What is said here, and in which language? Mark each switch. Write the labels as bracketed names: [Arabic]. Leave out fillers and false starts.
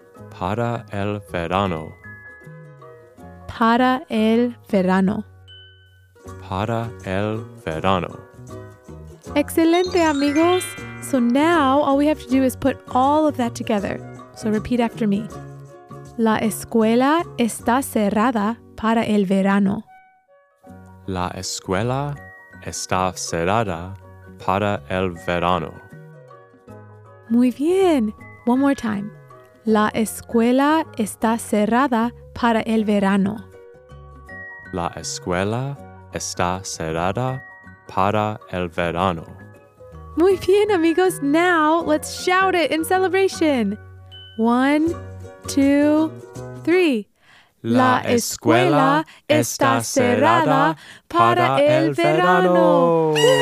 [Spanish] Para el verano. Para el verano. Para el verano. Excelente, amigos. [English] So now all we have to do is put all of that together. So repeat after me. [Spanish] La escuela está cerrada para el verano. La escuela está cerrada para el verano. Muy bien. [English] One more time. [Spanish] La escuela está cerrada para el verano. La escuela está cerrada para el verano. Muy bien, amigos. [English] Now let's shout it in celebration. One, two, three. [Spanish] La escuela está cerrada para el verano.